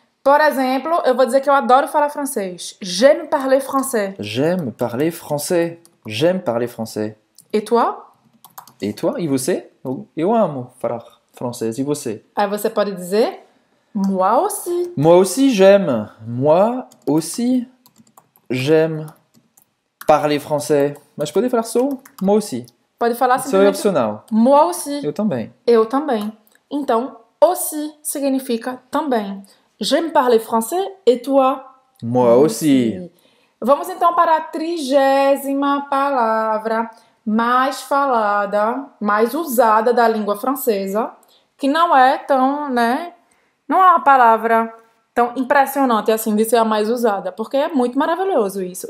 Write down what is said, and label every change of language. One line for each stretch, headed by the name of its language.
Portuguese: Por exemplo, eu vou dizer que eu adoro falar francês.
French: J'aime parler français. J'aime parler français. J'aime parler français. Et toi? Et toi?
Portuguese: E você? Eu amo falar francês. E você? Aí você pode dizer,
French: moi aussi. Moi aussi j'aime. Moi aussi j'aime parler français.
Portuguese: Mas pode falar só,
French: moi aussi.
Portuguese: Pode falar simplesmente. Isso é opcional.
French: Moi aussi.
Portuguese: Eu também. Eu também. Então, aussi significa também.
French: J'aime parler français et toi? Moi aussi.
Portuguese: Vamos então para a 30ª palavra mais falada, mais usada da língua francesa, que não é tão, né, não é uma palavra tão impressionante assim de ser a mais usada, porque é muito maravilhoso isso.